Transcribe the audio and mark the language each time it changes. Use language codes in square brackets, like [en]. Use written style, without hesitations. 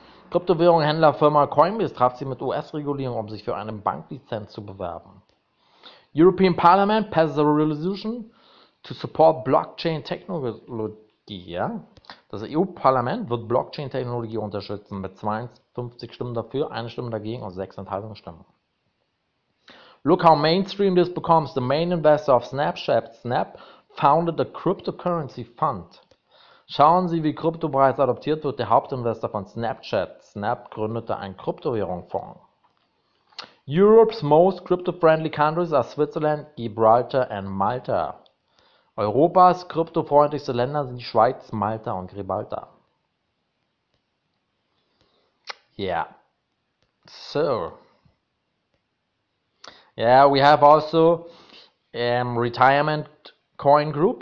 [de] Kryptowährungshändlerfirma Coinbase traf sich mit US-Regulierung, um sich für eine Banklizenz zu bewerben. [en] European Parliament passes a resolution to support Blockchain-Technologie. Ja. [de] Das EU-Parlament wird Blockchain-Technologie unterstützen mit 52 Stimmen dafür, eine Stimme dagegen und 6 Enthaltungsstimmen. [en] Look how mainstream this becomes. The main investor of Snapchat, Snap, founded a cryptocurrency fund. [de] Schauen Sie, wie Krypto bereits adoptiert wird. Der Hauptinvestor von Snapchat, Snap, gründete einen Kryptowährungsfonds. [en] Europe's most crypto-friendly countries are Switzerland, Gibraltar and Malta. [de] Europas kryptofreundlichste Länder sind die Schweiz, Malta und Gibraltar. [en] Yeah. So. Yeah, we have also Retirement Coin Group.